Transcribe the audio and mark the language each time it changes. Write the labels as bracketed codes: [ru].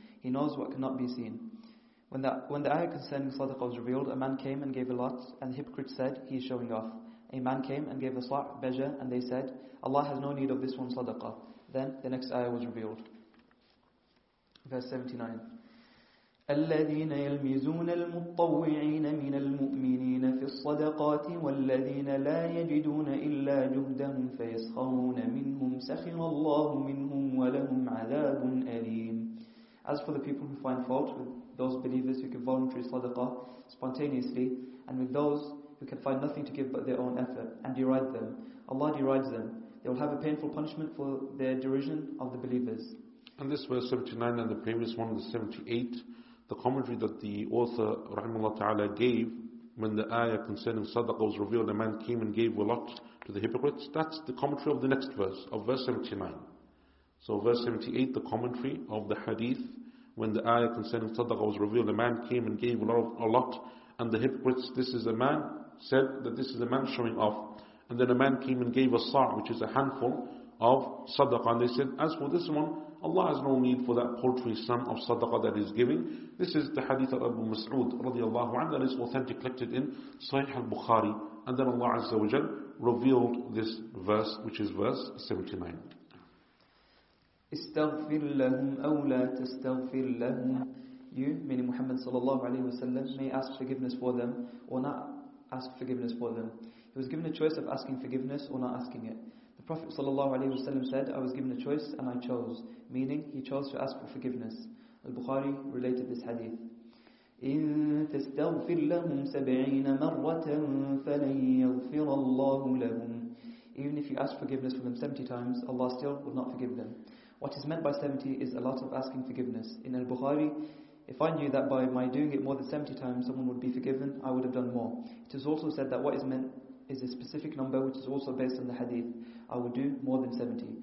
[en] He knows what cannot be seen. When the ayah concerning sadaqah was revealed, a man came and gave a lot, and the hypocrites said, he is showing off. A man came and gave a sa', bejah, and they said, Allah has no need of this one sadaqah. Then the next ayah was revealed. Verse 79. [ar] الذين يلمزون المطوعين من المؤمنين في الصدقات والذين لا يجدون إلا جهدهم فيسخرون منهم سخر الله منهم ولهم عذاب أليم. [en] As for the people who find fault with those believers who give voluntary sadaqah spontaneously, and with those who can find nothing to give but their own effort, and deride them, Allah derides them. They will have a painful punishment for their derision of the believers. And this verse 79 and the previous one, the 78, the commentary that the author rahimahullah ta'ala gave when the ayah concerning sadaqah was revealed, a man came and gave a lot to the hypocrites, that's the commentary of the next verse, of verse 79. So verse 78, the commentary of the hadith, when the ayah concerning sadaqah was revealed, a man came and gave a lot, and the hypocrites, this is a man, said that this is a man showing off. And then a man came and gave a sa', which is a handful of sadaqah, and they said, as for this one, Allah has no need for that paltry sum of sadaqah that is giving. This is the hadith of Abu Mas'ud radiallahu anhu, that is authentic, collected in Sahih al-Bukhari. And then Allah Azza wa Jal revealed this verse, which is verse 79. [ar] استغفر لهم أو لا تستغفر لهم. [en] You, meaning Muhammad sallallahu alayhi wasallam, may ask forgiveness for them or not ask forgiveness for them. He was given a choice of asking forgiveness or not asking it. The Prophet sallallahu alayhi wasallam said, I was given a choice and I chose, meaning he chose to ask for forgiveness. Al-Bukhari related this hadith. [ar] إن تستغفر لهم سبعين مرة فلن يغفر الله لهم. [en] Even if you ask forgiveness for them 70 times, Allah still will not forgive them. What is meant by 70 is a lot of asking forgiveness. In Al-Bukhari, if I knew that by my doing it more than 70 times someone would be forgiven, I would have done more. It is also said that what is meant is a specific number, which is also based on the hadith, I would do more than 70.